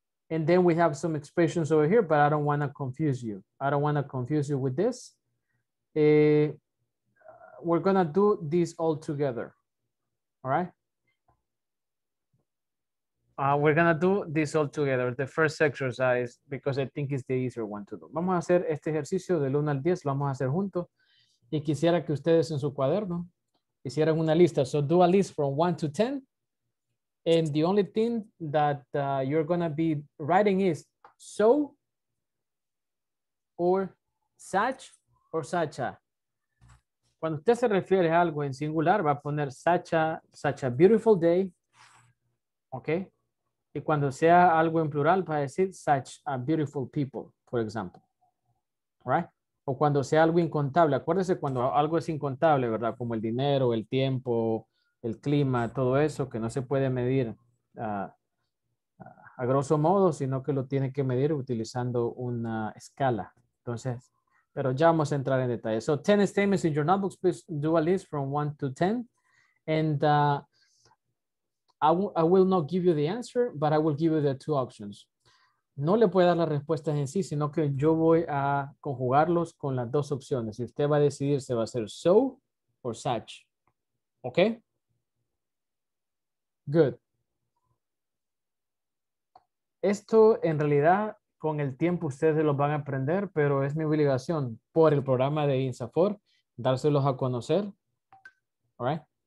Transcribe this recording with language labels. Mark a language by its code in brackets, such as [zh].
[en] And then we have some expressions over here, but I don't want to confuse you. I don't want to confuse you with this. We're going to do this all together. All right? We're going to do this all together, the first exercise, because I think it's the easier one to do. [es] Vamos a hacer este ejercicio del 1 al 10, lo vamos a hacer juntos. Y quisiera que ustedes en su cuaderno hicieran una lista. [en] So do a list from 1 to 10. And the only thing that you're going to be writing is so or such or sacha. [es] Cuando usted se refiere a algo en singular, va a poner sacha, [en] such a beautiful day. [es] Okay. Y cuando sea algo en plural, va a decir [en] such a beautiful people, [es] for example. Right? O cuando sea algo incontable. Acuérdese cuando algo es incontable, ¿verdad? Como el dinero, el tiempo, el clima, todo eso, que no se puede medir a grosso modo, sino que lo tiene que medir utilizando una escala. Entonces, pero ya vamos a entrar en detalle. [en] So, 10 statements in your notebooks, please do a list from 1 to 10. And I will not give you the answer, but I will give you the two options. [es] No le puedo dar las respuestas en sí, sino que yo voy a conjugarlos con las dos opciones. Y usted va a decidir si va a ser so o such. ¿Ok? [en] Good. [es] Esto en realidad con el tiempo ustedes lo van a aprender, pero es mi obligación por el programa de INSAFORP dárselos a conocer. [en] All right.